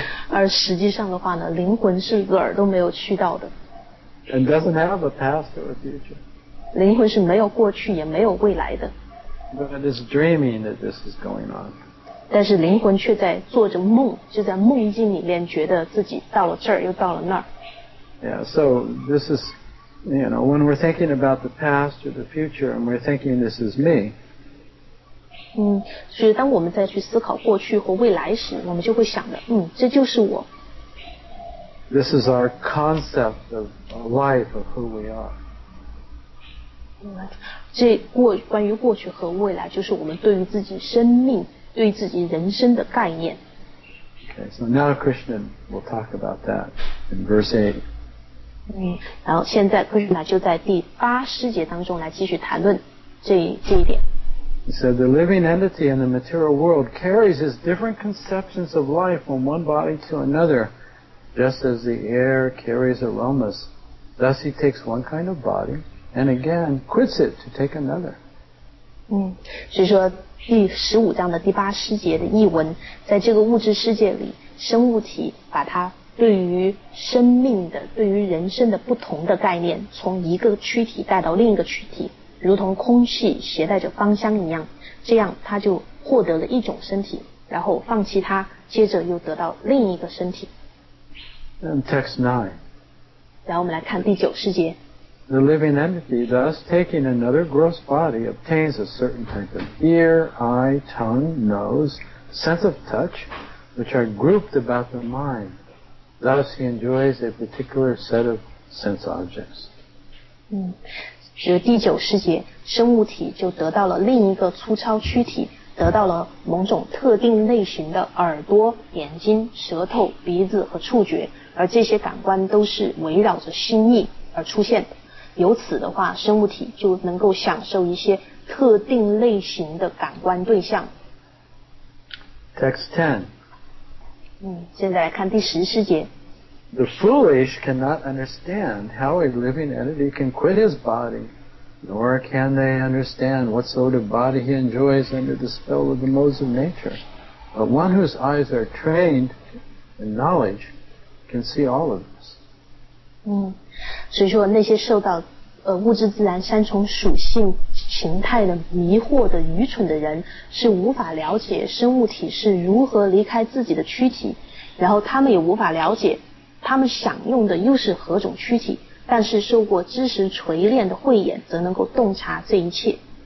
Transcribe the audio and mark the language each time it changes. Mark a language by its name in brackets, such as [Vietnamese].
[Chinese] 而实际上的话呢灵魂是哪儿都没有去到的 [English] And doesn't have a past or a future. [Chinese] 灵魂是没有过去也没有未来的。 [English] But it's dreaming that this is going on. [Chinese] 但是灵魂却在做着梦，就在梦境里面觉得自己到了这儿又到了那儿。 [English] Yeah, so this is, you know, when we're thinking about the past or the future and we're thinking this is me. [Chinese] 所以当我们再去思考过去或未来时，我们就会想着，这就是我。 [English] This is our concept of life of who we are. [Chinese] 这过关于过去和未来，就是我们对于自己生命、对于自己人生的概念。 [English] Okay, so now Krishna will talk about that in verse 8. [Chinese] 然后现在 Krishna 就在第八诗节当中来继续谈论这一点。 [English] He said, the living entity in the material world carries his different conceptions of life from one body to another. Just as the air carries aromas, thus he takes one kind of body and again quits it to take another. [Chinese] 所以说第十五章的第八十节的译文，在这个物质世界里，生物体把它对于生命的、对于人生的不同的概念，从一个躯体带到另一个躯体，如同空气携带着芳香一样，这样它就获得了一种身体，然后放弃它，接着又得到另一个身体。 [English] Text 9。 [Chinese] 然后我们来看第九十节。 [English] The living entity, thus taking another gross body, obtains a certain type of ear, eye, tongue, nose, sense of touch, which are grouped about the mind. Thus he enjoys a particular set of sense objects. [Chinese] 第九十节，生物体就得到了另一个粗糙躯体，得到了某种特定类型的耳朵、眼睛、舌头、鼻子和触觉，而这些感官都是围绕着心意而出现的。由此的话，生物体就能够享受一些特定类型的感官对象。 [English] Text 10。 [Chinese] 现在来看第十四节。 [English] The foolish cannot understand how a living entity can quit his body, nor can they understand what sort of body he enjoys under the spell of the modes of nature. But one whose eyes are trained in knowledge can see all of this. [Chinese] 所以说那些受到物质自然三重属性形态的迷惑的愚蠢的人是无法了解生物体是如何离开自己的躯体，然后他们也无法了解他们享用的又是何种躯体，但是受过知识锤炼的慧眼则能够洞察这一切。